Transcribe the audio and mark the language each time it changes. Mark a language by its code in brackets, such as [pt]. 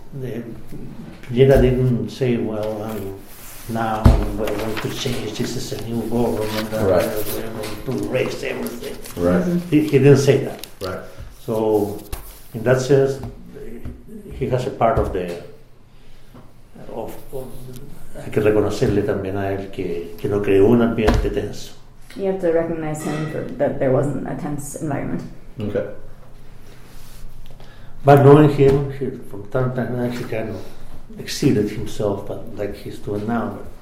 [en] Piñera didn't say, well, now we're going to change, this is a new government, right. We're going to erase everything. Right. He didn't say that. Right. So, in that sense, he has a part of the. [es] Hay que reconocerle también a él que no creó un ambiente tenso. [en] You have to recognize him that there wasn't a tense environment. Okay. But knowing him, he, from time to time, he kind of exceeded himself, but like he's doing now.